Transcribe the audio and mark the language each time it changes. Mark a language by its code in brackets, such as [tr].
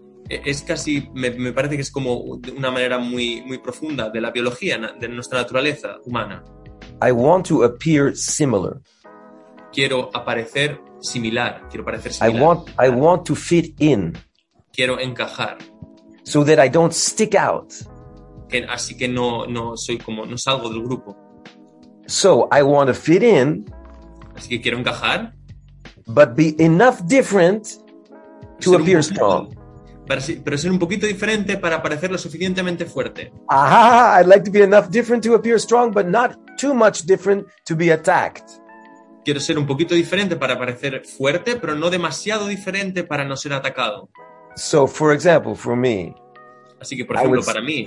[es] Es casi, me parece que es como una manera muy, muy profunda de la biología, de nuestra naturaleza humana. [en] I want to appear similar. [es] Quiero aparecer similar. [en] I want to fit in. [es] Quiero encajar. [en] So that I don't stick out. [es] Así que no soy como, no salgo del grupo. [en] So I want to fit in. [es] Así que quiero encajar. [en] But be enough different to appear strong. [es] Pero ser un poquito diferente para parecer lo suficientemente fuerte. [en] Ajá, I'd like to be enough different to appear strong, but not too much different to be attacked. [es] Quiero ser un poquito diferente para parecer fuerte, pero no demasiado diferente para no ser atacado. [en] So, for example, for me, [es] así que, por ejemplo, para mí,